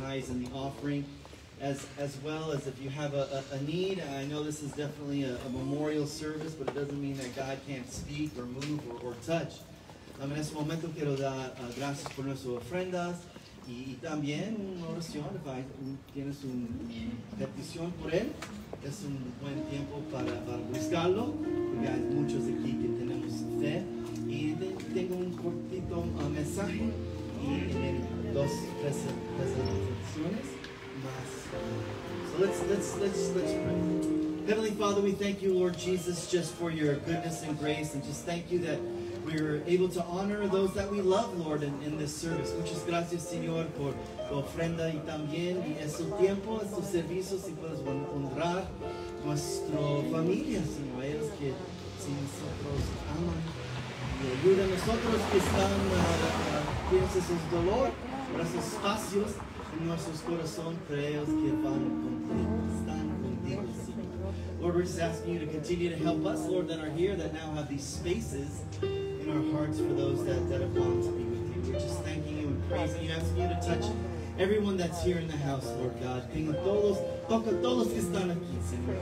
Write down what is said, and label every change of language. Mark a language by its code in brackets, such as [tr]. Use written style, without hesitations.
[en] And the offering, as well as if you have a need. I know this is definitely a memorial service, but it doesn't mean that God can't speak or move or touch. [es] En este momento quiero dar gracias por nuestras ofrendas y también una oración. Si tienes una petición por él, es un buen tiempo para buscarlo, porque hay muchos aquí que tenemos fe. Y tengo un cortito mensaje y dos presentaciones más. [en] So let's pray. Heavenly Father, we thank you, Lord Jesus, just for your goodness and grace, and just thank you that we're able to honor those that we love, Lord, in this service. [es] Muchas gracias, Señor, por tu ofrenda y también y su tiempo, sus servicios, y puedes honrar nuestra familia, Señor, ellos que si nosotros aman y ayudan a nosotros que están piensas en su dolor, por esos espacios en nuestros corazones, creemos que van contigo, están contigo, Señor. [en] Lord, we're just asking you to continue to help us, Lord, that are here, that now have these spaces in our hearts for those that have gone to be with you. We're just thanking you and praying. asking, asking you to touch everyone that's here in the house, Lord God. [es] Tengo todos, toca todos que están aquí, Señor.